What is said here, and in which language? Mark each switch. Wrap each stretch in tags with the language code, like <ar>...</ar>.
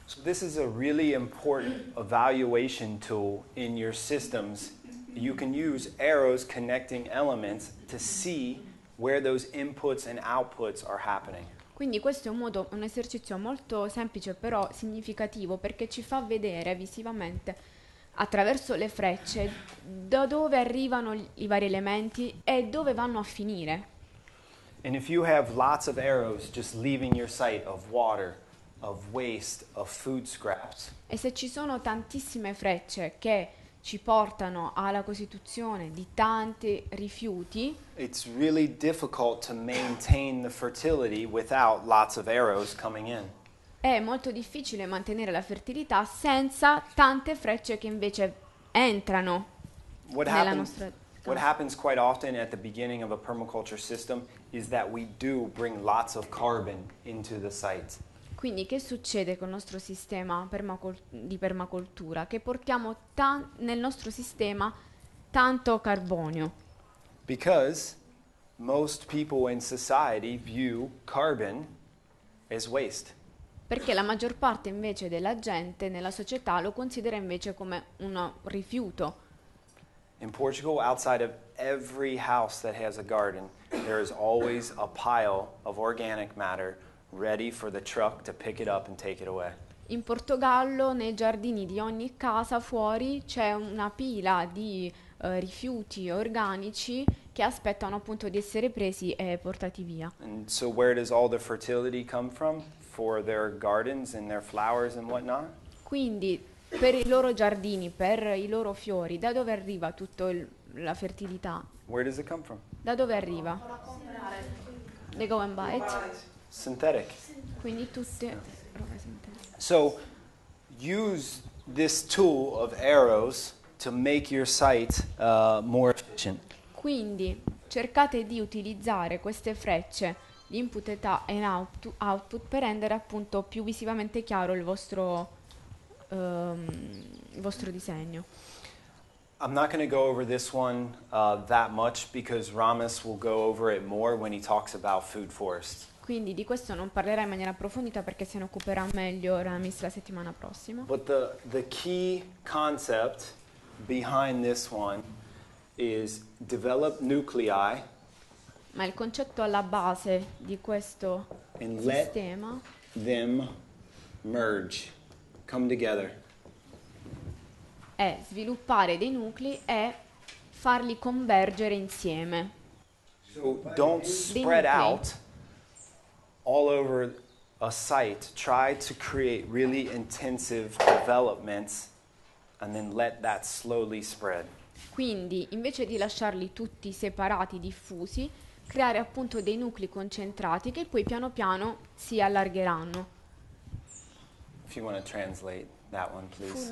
<en>So this is a really important evaluation tool in your systems. You can use arrows connecting elements to see where those inputs and outputs are happening.</en> <it>Quindi questo è un esercizio molto semplice, però significativo, perché ci fa vedere visivamente, attraverso le frecce, da dove arrivano i vari elementi e dove vanno a finire.</it> <en>And if you have lots of arrows just leaving your site of water, of waste, of food scraps.</en> <it>E se ci sono tantissime frecce che ci portano alla costituzione di tanti rifiuti.</it> <en>It's really difficult to maintain the fertility without lots of arrows coming in.</en> <it>È molto difficile mantenere la fertilità senza tante frecce che invece entrano nella nostra.</it> <en>What happens quite often at the beginning of a permaculture system is that we do bring lots of carbon into the site.</en> <it>Quindi che succede col nostro sistema di permacoltura? Che portiamo nel nostro sistema tanto carbonio.</it> <en>Because most people in society view carbon as waste.</en> <it>Perché la maggior parte invece della gente nella società lo considera invece come un rifiuto.</it> <en>In Portugal, outside of every house that has a garden, there is always a pile of organic matter ready for the truck to pick it up and take it away.</en> <it>In Portogallo, nei giardini di ogni casa fuori, c'è una pila di rifiuti organici che aspettano appunto di essere presi e portati via.</it> <en>And so where does all the fertility come from? For their gardens and their flowers and whatnot.</en> <it>Quindi, per i loro giardini, per i loro fiori, da dove arriva tutta la fertilità?</it> <en>Where does it come from?</en> <it>Da dove arriva?</it> <en>They go and buy it. Synthetic.</en> <it>Quindi tutte roba sintetica.</it> <en>So, use this tool of arrows to make your site more efficient.</en> <it>Quindi, cercate di utilizzare queste frecce input e output per rendere appunto più visivamente chiaro il vostro disegno.</it> <en>I'm not going to go over this one that much because Ramis will go over it more when he talks about food forests.</en> <it>Quindi di questo non parlerà in maniera approfondita perché se ne occuperà meglio Ramis la settimana prossima.</it> <en>But the key concept behind this one is develop nuclei.</en> <it>Ma il concetto alla base di questo</it> <en>and</en> <it>sistema</it> <en>let them merge, come together.</en> <it>È sviluppare dei nuclei e farli convergere insieme.</it> <en>So don't spread out all over a site. Try to create really intensive developments and then let that slowly spread.</en> <it>Quindi, invece di lasciarli tutti separati, diffusi, creare appunto dei nuclei concentrati che poi piano piano si allargheranno.</it> <en>If you want to translate that one, please.</en>